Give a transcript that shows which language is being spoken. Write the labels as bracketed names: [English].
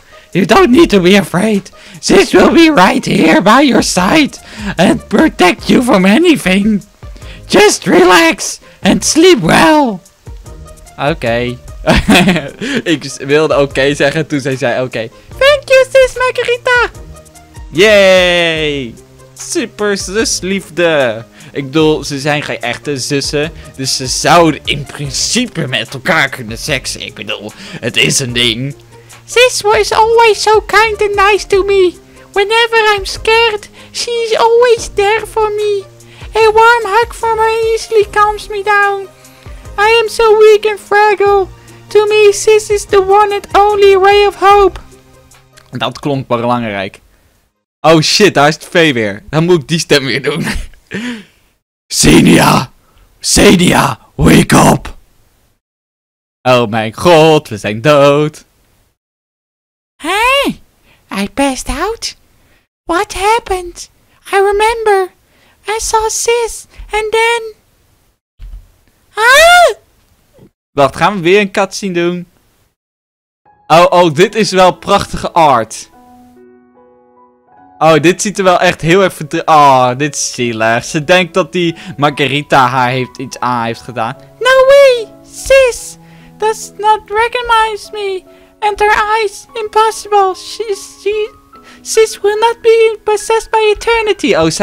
[English] You don't need to be afraid. Sis will be right here by your side and protect you from anything. Just relax and sleep well. [Dutch] Oké. Ik wilde oké zeggen toen zij zei oké. [English] Thank you, Sis Margarita. [Dutch] Yay! Super zusliefde. Ik bedoel, ze zijn geen echte zussen. Dus ze zouden in principe met elkaar kunnen seksen. Ik bedoel, het is een ding. [English] Sis was always so kind and nice to me. Whenever I'm scared, she's always there for me. A warm hug from her easily calms me down. I am so weak and fragile. To me, Sis is the one and only ray of hope. [Dutch] Dat klonk belangrijk. Oh shit, daar is het vee weer. Dan moet ik die stem weer doen. Senia! Senia, [English] wake up! [Dutch] Oh mijn god, we zijn dood. [English] Hey, I passed out. What happened? I remember. I saw Sis, and then... Ah! [Dutch] Wacht, gaan we weer een cutscene doen? Oh, dit is wel prachtige art. Oh, dit ziet er wel echt heel erg dit is zielig. Ze denkt dat die Margarita haar iets heeft gedaan. [English] No way! Sis does not recognize me. And her eyes, impossible. Sis will not be possessed by eternity.